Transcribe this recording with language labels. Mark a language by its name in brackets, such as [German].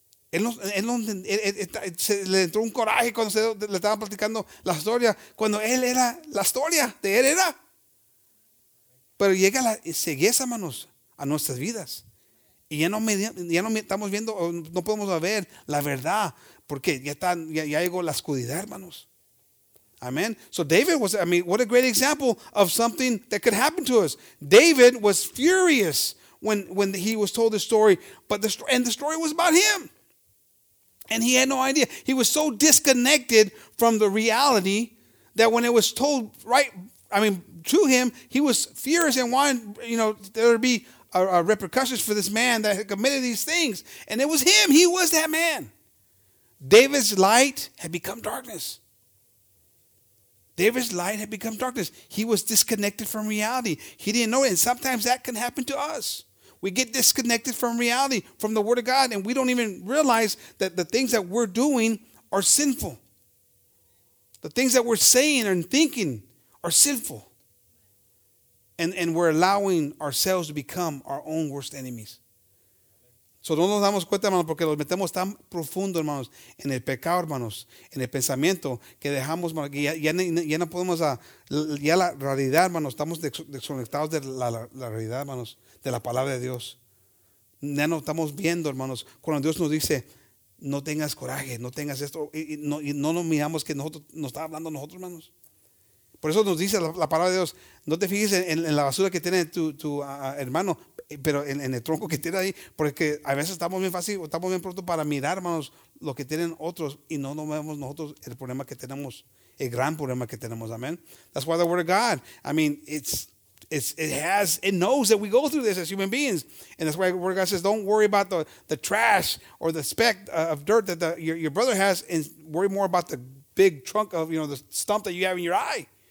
[Spanish] Él le entró un coraje cuando le estaban platicando la historia, cuando él era la historia de él era. Pero llega la ceguera, hermanos, a nuestras vidas. Y ya no estamos viendo, no podemos ver la verdad, porque ya llegó la oscuridad, hermanos. [English] Amen. So David was, I mean, what a great example of something that could happen to us. David was furious when he was told the story, and the story was about him. And he had no idea. He was so disconnected from the reality that when it was told to him, he was furious and wanted, there to be repercussions for this man that had committed these things. And it was him. He was that man. David's light had become darkness. David's light had become darkness. He was disconnected from reality. He didn't know it. And sometimes that can happen to us. We get disconnected from reality, from the Word of God, and we don't even realize that the things that we're doing are sinful. The things that we're saying and thinking are sinful. And we're allowing ourselves to become our own worst enemies. [Spanish] So no nos damos cuenta, hermanos, porque nos metemos tan profundo, hermanos, en el pecado, hermanos, en el pensamiento, que dejamos, hermanos, que ya no podemos, ya la realidad, hermanos, estamos desconectados de la realidad, hermanos, de la palabra de Dios. Ya no estamos viendo, hermanos, cuando Dios nos dice, no tengas coraje, no tengas esto, y no nos miramos que nosotros, nos está hablando a nosotros, hermanos. Por eso nos dice la palabra de Dios, no te fijes en la basura que tiene tu hermano, pero en el tronco que tiene ahí, porque a veces estamos bien fácil, estamos bien pronto para mirar, hermanos, lo que tienen otros y no nos vemos nosotros el problema que tenemos, el gran problema que tenemos, amén. [English] That's why the word of God, I mean, it knows that we go through this as human beings. And that's why the word of God says, don't worry about the trash or the speck of dirt that your brother has, and worry more about the big trunk of, you know, the stump that you have in your eye.